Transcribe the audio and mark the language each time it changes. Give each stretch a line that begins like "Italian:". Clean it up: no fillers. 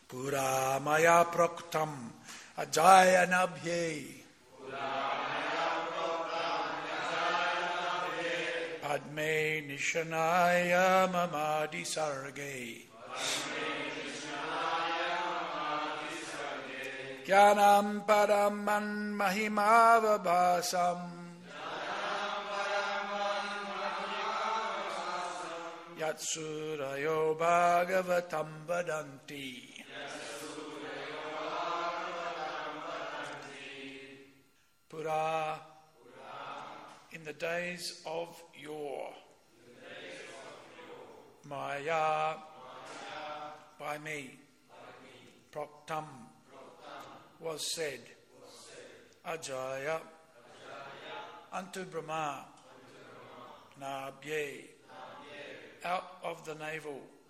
Sanskrit: पुरामया प्रोक्तम अजायनभ्ये पद्मे निशनाय ममादि सर्गे। ज्ञानं परं मन्महिमावभासम् यत्सुरयो भागवतं वदन्ति।
English: पुरा in the days of yore, maya, by me, proktam, was said, ajaya, unto Brahma, nabye, out of the navel,